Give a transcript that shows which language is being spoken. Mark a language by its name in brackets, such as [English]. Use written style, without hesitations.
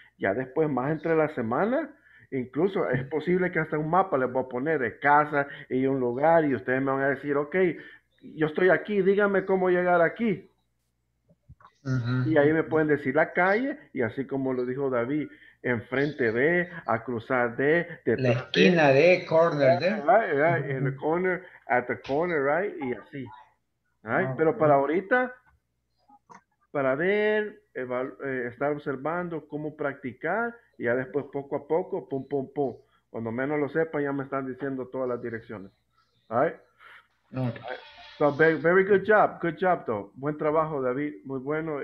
[Spanish] Ya después, más entre la semana, incluso es posible que hasta un mapa les voy a poner de casa y un lugar y ustedes me van a decir, ok, yo estoy aquí, díganme cómo llegar aquí. Uh-huh. Y ahí me pueden decir la calle y así como lo dijo David, enfrente de, a cruzar de la esquina de, corner de. [English] Right, in the corner, at the corner, right? [Spanish] Y así. Right? Oh, pero okay. para ahorita, para ver, estar observando cómo practicar, y ya después poco a poco, pum, pum, pum. Cuando menos lo sepan, ya me están diciendo todas las direcciones. [English] Right? Okay. So, very good job, though. [Spanish] Buen trabajo, David, muy bueno.